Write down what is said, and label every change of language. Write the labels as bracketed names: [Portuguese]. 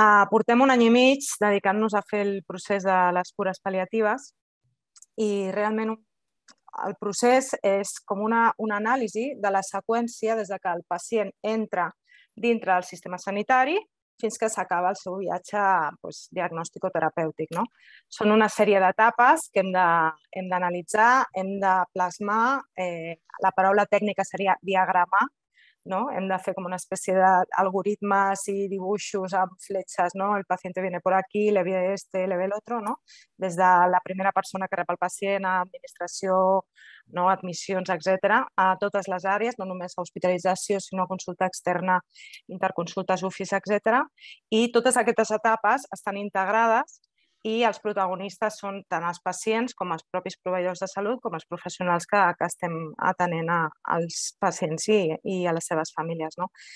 [Catalan] Portem un any i mig dedicant-nos a fer el procés de les cures paliatives i realment el procés és com una anàlisi de la seqüència des de que el pacient entra dintre del sistema sanitari fins que s'acaba el seu viatge, doncs, diagnòstic o terapèutic, no? Són una sèrie d'etapes que hem d'analitzar, hem de plasmar, la paraula tècnica seria diagramar, no? Hem de fer com una espècie d'algoritmes i dibuixos amb fletxes, no? [Spanish] El paciente viene por aquí, le ve este, le ve el otro, no? [Catalan] Des de la primera persona que rep el pacient, administració, no? Admissions, etc., a totes les àrees, no només a hospitalització, sinó a consulta externa, interconsultes, office, etc. I totes aquestes etapes estan integrades i els protagonistes són tant els pacients com els propis proveïdors de salut com els professionals que estem atenent als pacients i a les seves famílies, no?